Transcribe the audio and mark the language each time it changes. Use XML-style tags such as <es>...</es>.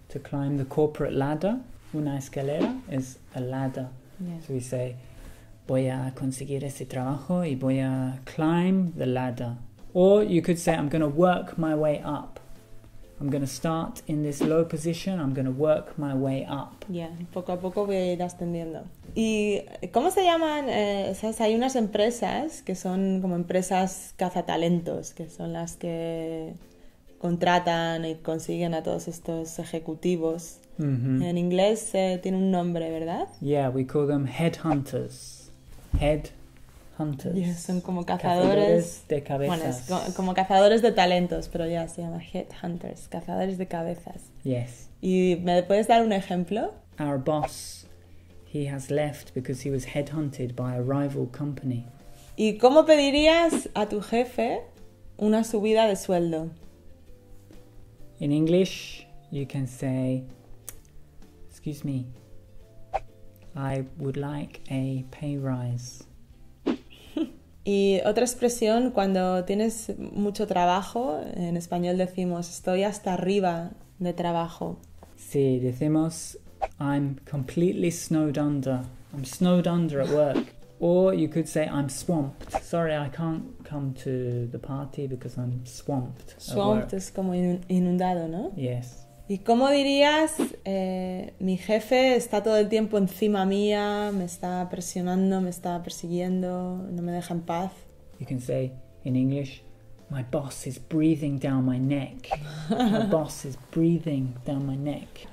<en>To climb the corporate ladder.</en> <es>Una escalera</es> <en>is a ladder. Yeah. So we say...</en> <es>Voy a conseguir ese trabajo y voy a</es> <en>climb the ladder. Or you could say, I'm going to work my way up. I'm going to start in this low position. I'm going to work my way up.</en> <es>Yeah, poco a poco voy a ir ascendiendo. ¿Y cómo se llaman? O sea, hay unas empresas que son como empresas cazatalentos, que son las que contratan y consiguen a todos estos ejecutivos. Mm-hmm. En inglés tiene un nombre, ¿verdad?</es> <en>Yeah, we call them headhunters. Head hunters.</en> <es>Yeah, son como cazadores de cabezas. Bueno, es como cazadores de talentos, pero ya se llama head hunters, cazadores de cabezas.</es> <en>Yes.</en> <es>¿Y me puedes dar un ejemplo?</es> <en>Our boss, he has left because he was head hunted by a rival company.</en> <es>¿Y cómo pedirías a tu jefe una subida de sueldo?</es> <en>In English, you can say, excuse me. I would like a pay rise.</en> <es>Y otra expresión, cuando tienes mucho trabajo, en español decimos, estoy hasta arriba de trabajo. Sí, decimos,</es> <en>I'm completely snowed under. I'm snowed under at work. Or you could say, I'm swamped. Sorry, I can't come to the party because I'm swamped.</en> <es>Swamped es como inundado, ¿no?</es> <en>Yes.</en> <es>¿Y cómo dirías, mi jefe está todo el tiempo encima mía, me está presionando, me está persiguiendo, no me deja en paz?</es> <en>You can say in English, my boss is breathing down my neck. My boss is breathing down my neck.</en>